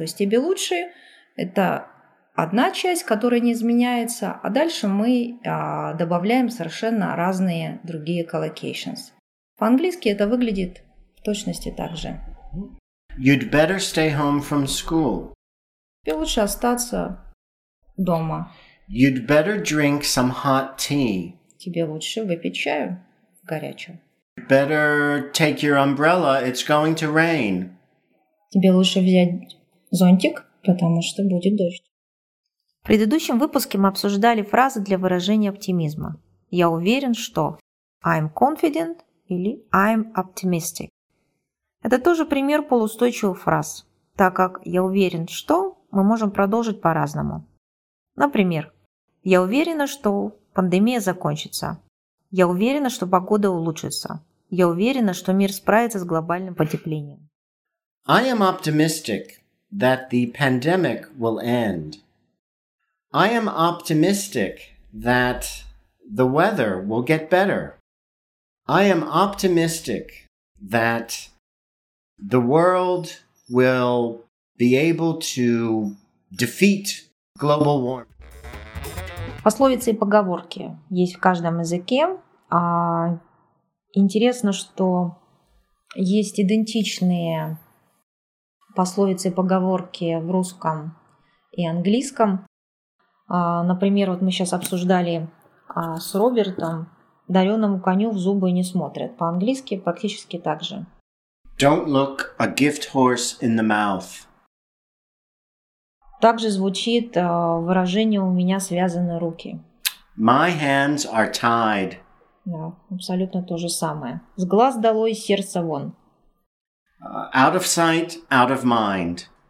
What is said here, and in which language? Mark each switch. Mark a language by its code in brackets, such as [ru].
[ru] То есть тебе лучше – это одна часть, которая не изменяется, а дальше мы добавляем совершенно разные другие collocations. По-английски это выглядит в точности так же. [en] You'd better stay home from school. [ru] Тебе лучше остаться дома. [en] You'd better drink some hot tea. [ru] Тебе лучше выпить чаю горячего. [en] You'd better take your umbrella, it's going to rain. [ru] Тебе лучше взять зонтик, потому что будет дождь. В предыдущем выпуске мы обсуждали фразы для выражения оптимизма. Я уверен, что [en] I'm confident [ru] или [en] I'm optimistic. [ru] Это тоже пример полуустойчивых фраз, так как я уверен, что мы можем продолжить по-разному. Например, я уверена, что пандемия закончится. Я уверена, что погода улучшится. Я уверена, что мир справится с глобальным потеплением. [en] I am optimistic that the pandemic will end. I am optimistic that the weather will get better. I am optimistic that the world will be able to defeat global warming. [ru] Пословицы и поговорки есть в каждом языке. Интересно, что есть идентичные пословицы и поговорки в русском и английском. Например, вот мы сейчас обсуждали с Робертом «Дареному коню в зубы не смотрят». По-английски практически так же. [en] Don't look a gift horse in the mouth. [ru] Также звучит выражение «у меня связаны руки». [en] My hands are tied. [ru] Да, абсолютно то же самое. С глаз долой, сердце вон. [en] Out of sight, out of mind.